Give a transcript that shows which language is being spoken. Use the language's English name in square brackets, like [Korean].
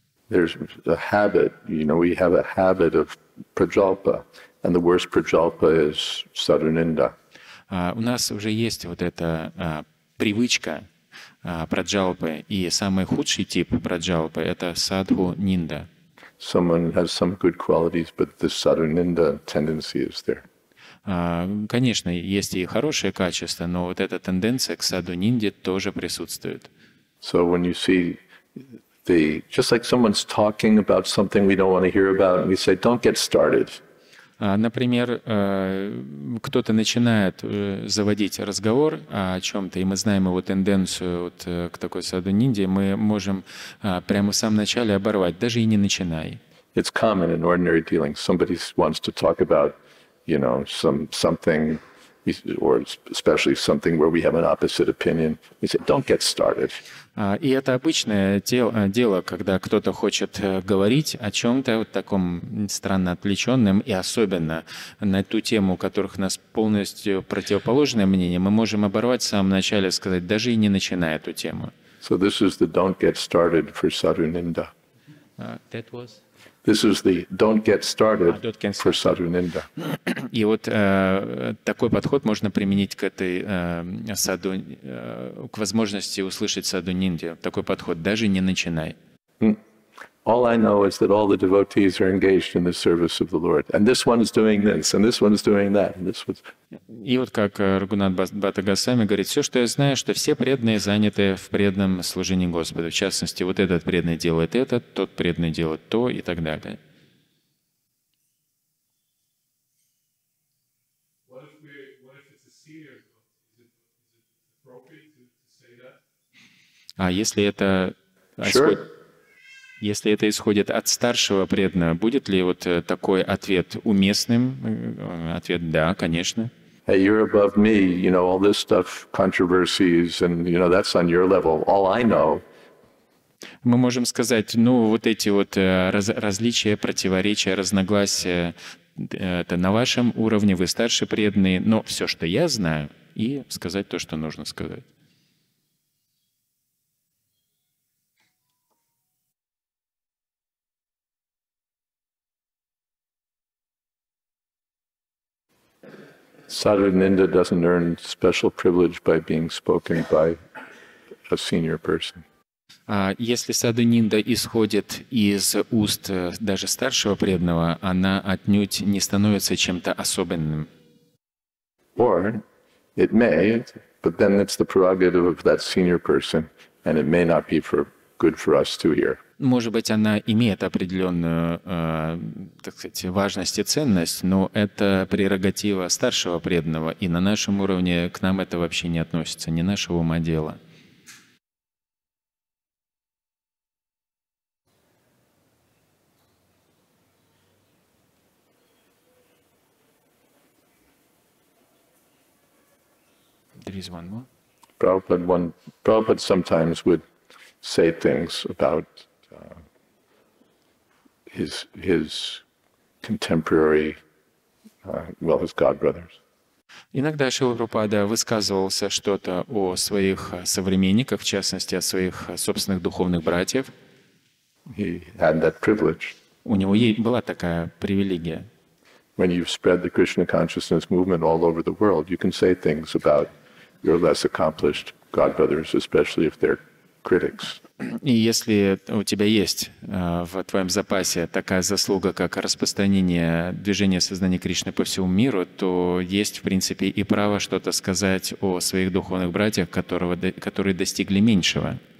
[English] There's a habit, you know, we have a habit of prajalpa, and the worst prajalpa is sadhananda. [Russian] У нас уже есть вот эта привычка праджалпы, и самый худший тип праджалпы — это садху нинда. [English] Someone has some good qualities, but the sadhu ninda tendency is there. [Russian] Конечно, есть и хорошие качества, но вот эта тенденция к садху нинде тоже присутствует. [English] So when you see the just like someone's talking about something we don't want to hear about, and we say, "Don't get started." [Russian] Например, кто-то начинает заводить разговор о чем-то, и мы знаем его тенденцию вот к такой садху-нинде, мы можем прямо в самом начале оборвать, даже и не начинай. [English] It's common in ordinary dealings. Somebody wants to talk about, you know, something, or especially something where we have an opposite opinion. We say, don't get started. [Russian] И это обычное дело, когда кто-то хочет говорить о чем-то вот таком странно отвлеченном, и особенно на ту тему, у которых у нас полностью противоположное мнение, мы можем оборвать в самом начале, сказать, даже и не начиная эту тему. So this is the don't get started for sadhu ninda. This is the don't get started for sadhu ninda. И вот такой подход можно применить к этой саду, к возможности услышать саду нинде. Такой подход даже не начинай. [English] All I know is that all the devotees are engaged in the service of the Lord, and this one is doing this, and this one is doing that, and this one. [Russian] И вот как Рагунат Бхатта Госвами говорит, все, что я знаю, что все преданные заняты в преданном служении Господу. В частности, вот этот преданный делает это, тот преданный делает то и так далее. А если это? [English] Sure. [Russian] Если это исходит от старшего преданного, будет ли вот такой ответ уместным? Ответ «да», конечно. [English] Hey, you're above me, you know, all this stuff, controversies, and, you know, that's on your level. All I know. [Russian] Мы можем сказать, ну, вот эти вот различия, противоречия, разногласия, это на вашем уровне, вы старше преданные, но все, что я знаю, и сказать то, что нужно сказать. [English] Sadhananda doesn't earn special privilege by being spoken by a senior person. [Russian] Если Sadhananda исходит из уст даже старшего преданного, она отнюдь не становится чем-то особенным. [English] Or it may, but then it's the prerogative of that senior person, and it may not be for good for us to hear. [Russian] Может быть, она имеет определенную, так сказать, важность и ценность, но это прерогатива старшего преданного, и на нашем уровне к нам это вообще не относится, не наше ума дело. [English] There is one more. Prabhupada sometimes would say things about his contemporary, well, his godbrothers. [Russian] Иногда Шрила Прабхупада высказывался что-то о своих современниках, в частности, о своих собственных духовных братьев. [English] He had that privilege. [Russian] У него была такая привилегия. [English] When you've spread the Krishna consciousness movement all over the world, you can say things about your less accomplished godbrothers, especially if they're critics. [Russian] И если у тебя есть в твоем запасе такая заслуга, как распространение движения сознания Кришны по всему миру, то есть, в принципе, и право что-то сказать о своих духовных братьях, которые достигли меньшего.